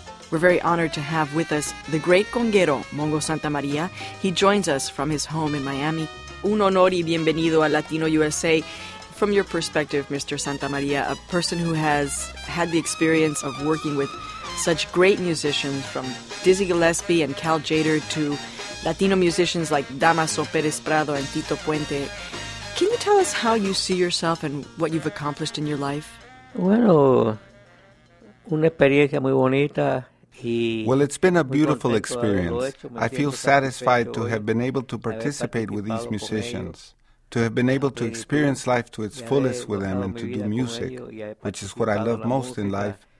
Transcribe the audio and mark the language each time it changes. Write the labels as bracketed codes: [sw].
[en] We're very honored to have with us the great conguero, Mongo Santa Maria. He joins us from his home in Miami. [es] Un honor y bienvenido a Latino USA. [en] From your perspective, Mr. Santa Maria, a person who has had the experience of working with such great musicians from Dizzy Gillespie and Cal Jader to Latino musicians like Damaso Perez Prado and Tito Puente, can you tell us how you see yourself and what you've accomplished in your life? [es] Bueno, una experiencia muy bonita. [en] Well, it's been a beautiful experience. I feel satisfied to have been able to participate with these musicians, to have been able to experience life to its fullest with them and to do music, which is what I love most in life.